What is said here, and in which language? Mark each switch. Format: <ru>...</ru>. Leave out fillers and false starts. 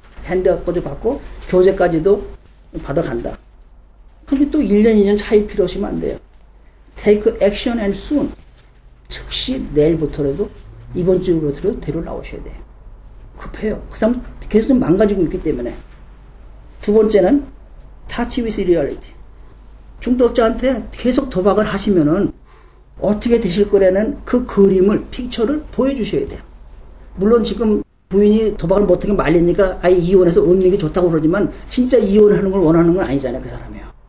<ko>핸드업도 받고 교재까지도 받아간다. 그럼 또 1년, 2년 차이 필요하시면 안 돼요.</ko> <en>Take action and soon.</en> <ko>즉시 내일부터라도, 이번 주부터라도 데리러 나오셔야 돼요. 급해요. 그 사람 계속 망가지고 있기 때문에. 두 번째는</ko> <en>touch with reality.</en> <ko>중독자한테 계속 도박을 하시면은 어떻게 되실 거라는 그 그림을, 픽처를 보여주셔야 돼요. 물론 지금 부인이 도박을 못하게 말리니까 아예 이혼해서 없는 게 좋다고 그러지만 진짜 이혼하는 걸 원하는 건 아니잖아요, 그 사람이요.</ko>